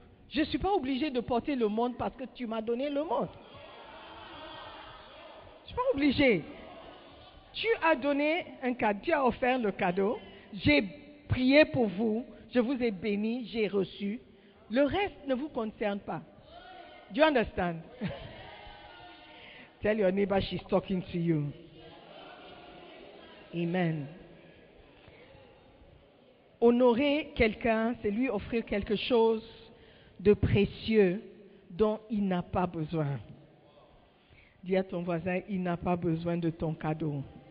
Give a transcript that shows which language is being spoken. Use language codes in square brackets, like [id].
[fr] Je ne suis pas obligée de porter le montre parce que tu m'as donné le montre. Je ne suis pas obligée. Tu as offert le cadeau, j'ai prié pour vous, je vous ai béni, j'ai reçu. Le reste ne vous concerne pas. [en] Do you understand? Tell your neighbor she's talking to you. Amen. [fr] Honorer quelqu'un, c'est lui offrir quelque chose de précieux dont il n'a pas besoin. Dis à ton voisin, il n'a pas besoin de ton cadeau.